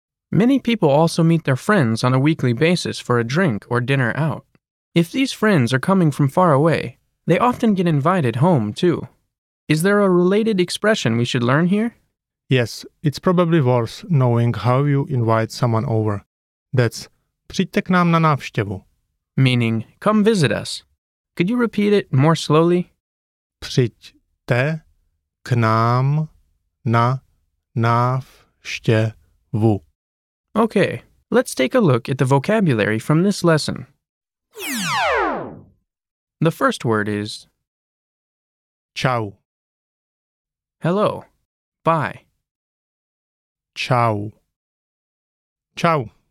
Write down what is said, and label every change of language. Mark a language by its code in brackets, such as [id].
[en] Many people also meet their friends on a weekly basis for a drink or dinner out. If these friends are coming from far away, they often get invited home too. Is there a related expression we should learn here? Yes, it's probably worth knowing how you invite someone over. [cs] That's přijďte k nám na návštěvu. [en] Meaning, come visit us. Could you repeat it more slowly? [cs] Přijďte k nám na návštěvu. [en] Okay, let's take a look at the vocabulary from this lesson. The first word is [cs] Ciao. [en] Hello. Bye. [cs] Ciao. Ciao.